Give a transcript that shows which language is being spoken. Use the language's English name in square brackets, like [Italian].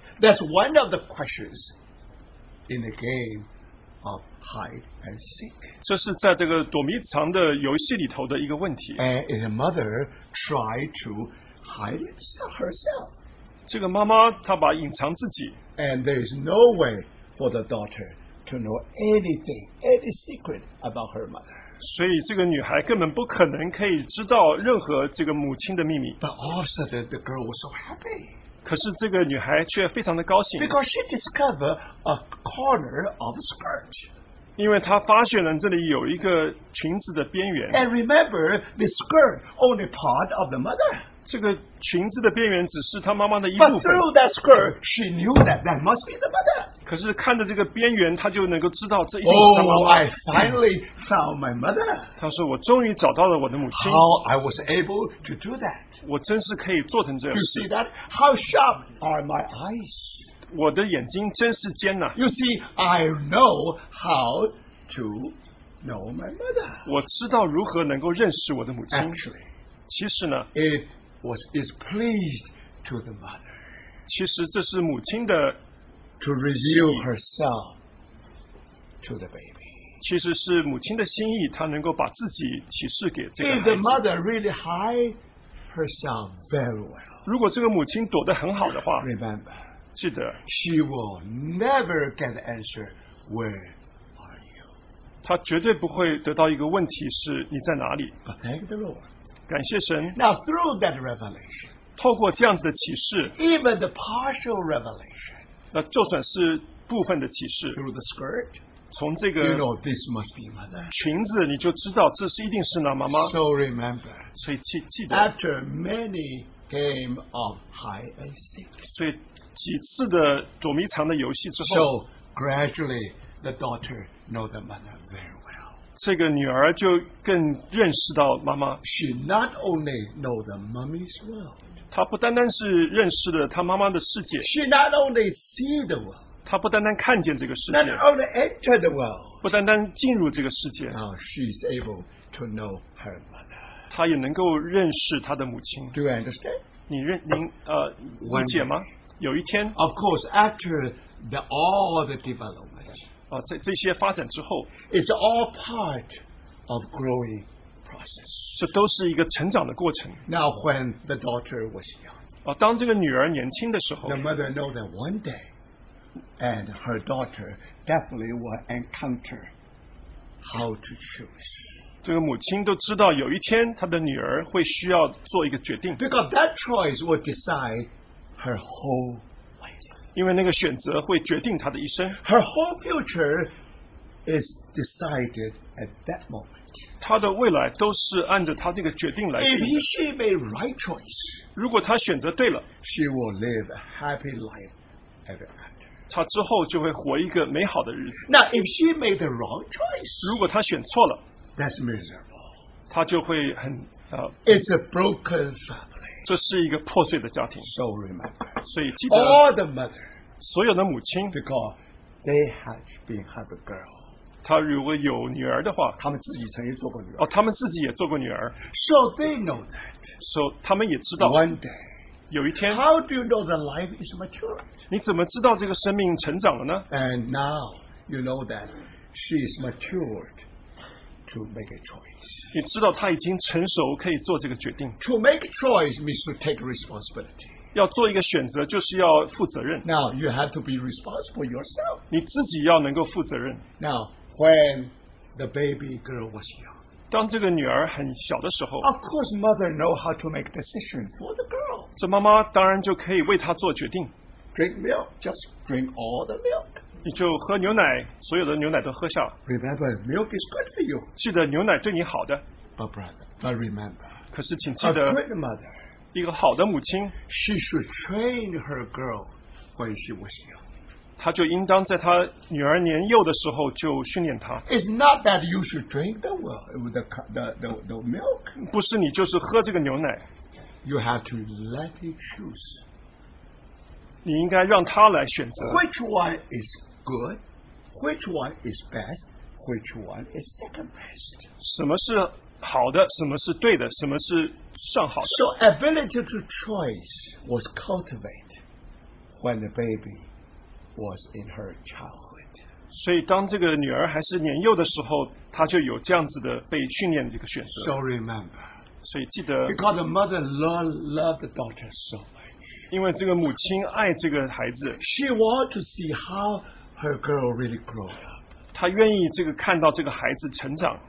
[English] That's one of the questions in the game of hide and seek. [Chinese] 这是在这个躲迷藏的游戏里头的一个问题. [English] And the mother tried to hide herself. [Chinese] 这个妈妈她把隐藏自己. [English] And there is no way for the daughter to know anything, any secret about her mother. [Chinese] 所以这个女孩根本不可能可以知道任何这个母亲的秘密. [English] But all of a sudden, the girl was so happy. [Chinese] 可是这个女孩却非常的高兴. [English] Because she discovered a corner of a skirt. [Chinese] 因为她发现了这里有一个裙子的边缘. [English] And remember, the skirt only part of the mother. [Chinese] 这个裙子的边缘只是她妈妈的衣服. [English] But through that skirt, she knew that that must be the mother. [Chinese] 可是看着这个边缘, 她就能够知道这一定是她妈妈。 [English] Oh, I finally found my mother. [Chinese] 她说我终于找到了我的母亲。 [English] How I was able to do that. [Chinese] 我真是可以做成这样。 [English] You see that? How sharp are my eyes? [Chinese] 我的眼睛真是尖啊。 [English] You see, I know how to know my mother. [Chinese] 我知道如何能够认识我的母亲。 [English] Actually, [Chinese] 其实呢, [English] it was is pleased to the mother. [Chinese] 其实这是母亲的 [English] to reveal herself to the baby. [Chinese] 其实是母亲的心意, 她能够把自己启示给这个孩子。 [English] If the mother really hide herself very well, [Chinese] 如果这个母亲躲得很好的话, [English] remember, [Chinese] 记得, [English] she will never get the answer, where are you? [Chinese] 她绝对不会得到一个问题是你在哪里。 [English] But thank the Lord. [Chinese] 感谢神。 [English] Now through that revelation, [Chinese] 透过这样子的启示, [English] even the partial revelation, [Chinese] 那就算是部分的启示, [English] through the skirt, [Chinese] 从这个, [English] you know this must be mother. [Chinese] 裙子, 你就知道这是一定是那妈妈。 [English] So remember, [Chinese] 所以记得, [English] after many game of hide and seek, [Chinese] 所以几次的躲迷藏的游戏之后, [English] so gradually the daughter know the mother very well. [Chinese] 这个女儿就更认识到妈妈。 [English] She not only know the mummy's world. [Chinese] 她不单单是认识了她妈妈的世界, [English] she not only see the world, [Chinese] 她不单单看见这个世界, [English] not only enter the world, [Chinese] 不单单进入这个世界, [English] now she is able to know her mother. [Chinese] 她也能够认识她的母亲。 [English] Do you understand? [Chinese] 你解吗?有一天, [English] of course, after the, all the development, [Chinese] 这些发展之后, [English] it's all part of growing process. [Chinese] 这都是一个成长的过程。 [English] Now when the daughter was young, [Chinese] 当这个女儿年轻的时候, [English] the mother know that one day, and her daughter definitely will encounter how to choose. [Chinese] 这个母亲都知道有一天她的女儿会需要做一个决定。 [English] Because that choice will decide her whole life. [Chinese] 因为那个选择会决定她的一生。 [English] Her whole future is decided at that moment. [Chinese] 她的未来都是按着她这个决定来定的。 [English] If she made right choice, [Chinese] 如果她选择对了, [English] she will live a happy life ever after. [Chinese] 她之后就会活一个美好的日子。 [English] Now if she made the wrong choice, [Chinese] 如果她选错了, [English] that's miserable. [Chinese] 她就会很, [English] it's a broken family. [Chinese] 这是一个破碎的家庭。 [English] So remember, [Chinese] 所以记得, [English] all the mother, [Chinese] 所有的母亲, [English] because they have been had a girl, [Chinese] 他如果有女儿的话, 他们自己曾经做过女儿, 哦, 他们自己也做过女儿, [English] so they know that. [Chinese] So 他们也知道, [English] one day, [Chinese] 有一天, [English] how do you know the life is mature? [Chinese] 你怎么知道这个生命成长了呢? [English] And now you know that she is matured to make a choice. [Chinese] 你知道她已经成熟可以做这个决定。 [English] To make a choice means to take responsibility. [Chinese] 要做一个选择，就是要负责任。 [English] Now you have to be responsible yourself. [Chinese] 你自己要能够负责任。 [English] Now when the baby girl was young, [Chinese] 当这个女儿很小的时候 [English] ，Of course, mother know how to make decision for the girl. [Chinese] 这妈妈当然就可以为她做决定。 [English] Drink milk, just drink all the milk. [Chinese] 你就喝牛奶，所有的牛奶都喝下。 [English] Remember, milk is good for you. [Chinese] 记得牛奶对你好的。 [English] But brother, but remember. [Chinese] 可是请记得。 [English] A good mother. [Chinese] 一个好的母亲 [English] she should train her girl when she was young. [Chinese] 她就应当在她女儿年幼的时候就训练她。 [English] It's not that you should drink the milk. [Chinese] 不是你就是喝这个牛奶。 [English] You have to let it choose. [Chinese] 你应该让她来选择。 [English] Which one is good? Which one is best? Which one is second best? [Chinese] 什么是好的？什么是对的？什么是？ [English] So ability to choice was cultivated when the baby was in her childhood. [Chinese] 所以当这个女儿还是年幼的时候，她就有这样子的被训练的一个选择。 [English] So remember. [Chinese] 所以记得。 [English] Because the mother loved the daughter so much. [Chinese] 因为这个母亲爱这个孩子。 [English] She wanted to see how her girl really grew up. [Chinese] 她愿意这个看到这个孩子成长。